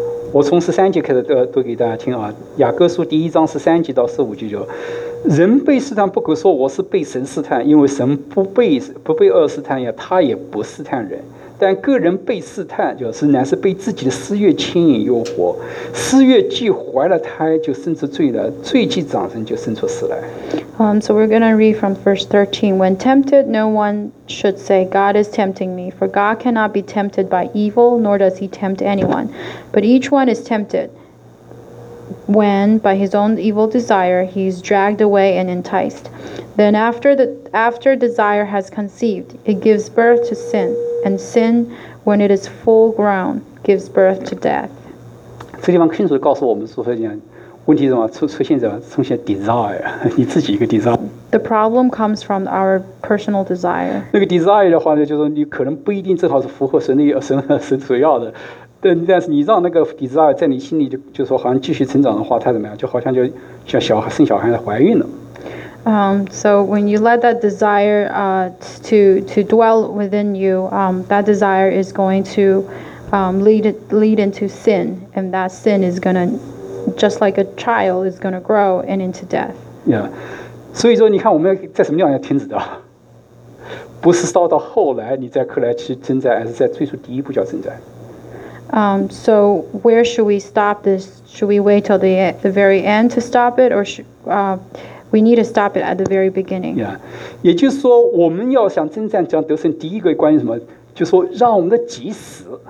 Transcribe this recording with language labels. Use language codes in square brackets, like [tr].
[zh] 我从十三节开始读给大家听啊，雅各书第一章十三节到十五节就，人被试探不可说我是被神试探，因为神不被恶试探，他也不试探人，但个人被试探就是乃是被自己的私欲牵引诱惑，私欲既怀了胎就生出罪了，罪既长成就生出死来。 [en] So we're going to read from verse 13. When tempted, no one should say, God is tempting me. For God cannot be tempted by evil, nor does he tempt anyone. But each one is tempted when, by his own evil desire, he is dragged away and enticed. Then after desire has conceived, it gives birth to sin. And sin, when it is full grown, gives birth to death. [zh] 这地方清楚地告诉我们说问题是什么？出现 [en] desire， [zh] 你自己一个 desire。 [en] The problem comes from our personal desire。 [zh] 那个 [en] desire [zh] 的话呢，就是你可能不一定正好是符合神所要的，但是你让那个 desire 在你心里就说好像继续成长的话，它怎么样？就好像就像小孩生小孩怀孕了。 [en] So when you let that desire to dwell within you, that desire is going to lead into sin, and that sin is gonna just like a child is going to grow and into death. Yeah. [zh] 所以说你看我们在什么地方要停止的，不是到后来你再后来去征战，而是在最初第一步叫征战。 [en] So where should we stop this? Should we wait till the very end to stop it? Or we need to stop it at the very beginning. Yeah. [zh] 也就是说我们要想征战想得胜，第一个关于什么，就是说让我们的己死。